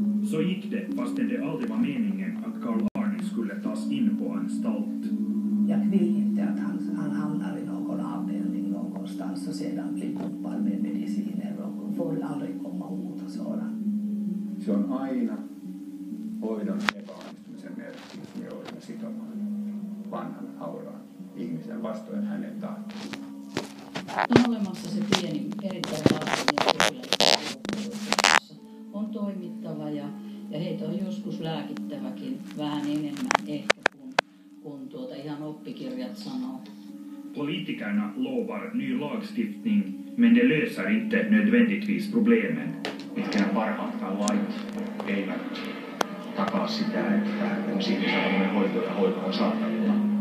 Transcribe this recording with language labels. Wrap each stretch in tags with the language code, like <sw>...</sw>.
<sv>Så gick det, fast det aldrig var meningen att Carl Arne skulle tas in på anstalt. Jag vill inte att han hamnar i någon avdelning någonstans och sedan blir kopplad med mediciner och får aldrig komma ut och sådär.</sv> <fi>Se on aina hoidon epäonnistumisen merkki, me joudumme sitomaan vanhan hauraan ihmisen vastoin hänen tahtoon. On olemassa se pieni, erittäin tarpeellinen kirjallisuus, on toimittava ja heitä on joskus lääkittäväkin vähän enemmän ehkä kuin tuota ihan oppikirjat sanoo.</fi> <sv>Politikerna lovar ny lagstiftning, men det löser inte nödvändigtvis problemen.</sv> <fi>Mitkään parhaatkaan lait eivät takaa sitä, että on siitä saatavainen hoito ja hoito on saatavilla.</fi>